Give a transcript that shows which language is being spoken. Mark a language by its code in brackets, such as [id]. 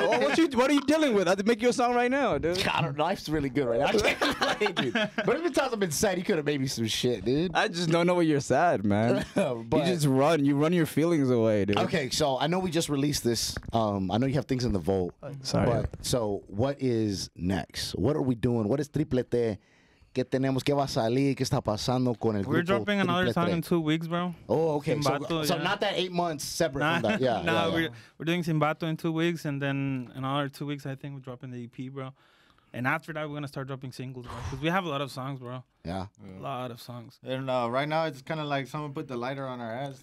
[en] Well, what are you dealing with? I have to make you a song right now, dude. God, I don't know. Life's really good right now. I can't complain, dude. But if the times I've been sad, you could have made me some shit, dude. I just don't know why you're sad, man. But, you just run. You run your feelings away, dude. Okay, so I know we just released this. I know you have things in the vault. Sorry. But, so what is next? What are we doing? What is Triplete? [es] Que tenemos que va a salir, que está pasando con el [en] grupo. We're dropping another song in 2 weeks, bro. Oh, okay. Simbato, so not that 8 months separate from that. Yeah. No, yeah. We're doing Simbato in 2 weeks, and then another 2 weeks, I think, we're dropping the EP, bro. And after that, we're going to start dropping singles, bro. Because we have a lot of songs, bro. Yeah. A lot of songs. And right now, it's kind of like someone put the lighter on our ass.